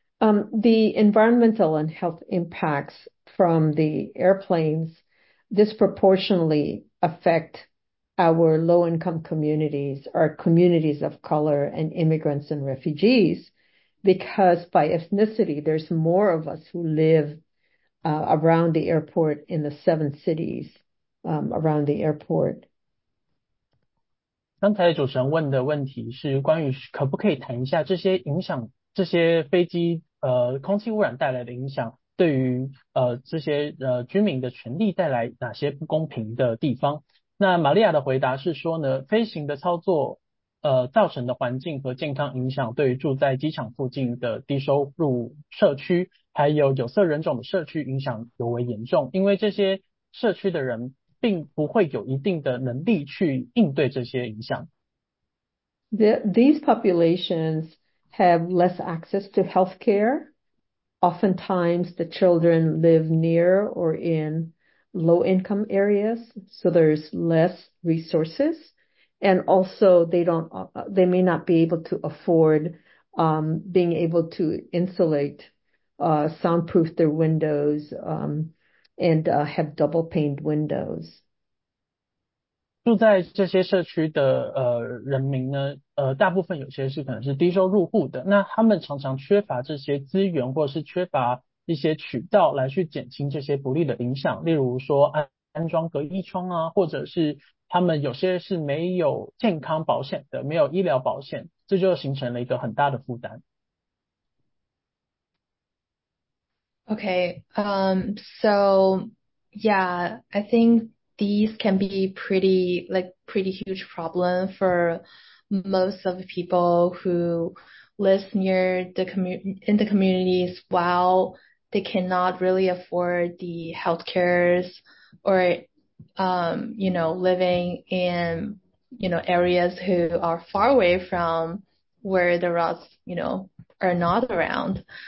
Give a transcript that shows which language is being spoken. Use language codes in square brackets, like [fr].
[en] The environmental and health impacts from the airplanes disproportionately affect our low-income communities, our communities of color, and immigrants and refugees, because by ethnicity, there's more of us who live around the airport in the seven cities around the airport. [zh] 刚才主持人问的问题是关于可不可以谈一下这些影响，这些飞机空气污染带来的影响，对于这些居民的权利带来哪些不公平的地方？那玛利亚的回答是说呢，飞行的操作造成的环境和健康影响，对于住在机场附近的低收入社区，还有有色人种的社区影响尤为严重，因为这些社区的人并不会有一定的能力去应对这些影响。 [en] These populations have less access to health care. Oftentimes, the children live near or in low-income areas, so there's less resources. And also, they may not be able to afford being able to insulate, soundproof their windows, and have double-paned windows. [zh] 住在这些社区的人民呢，大部分有些是可能是低收入户的，那他们常常缺乏这些资源，或者是缺乏一些渠道来去减轻这些不利的影响，例如说安装隔音窗啊，或者是他们有些是没有健康保险的，没有医疗保险，这就形成了一个很大的负担。 [en] Okay, so yeah, I think these can be pretty huge problem for most of the people who live near the in the communities while they cannot really afford the healthcares or, you know, living in, you know, areas who are far away from where the roads, you know, are not around.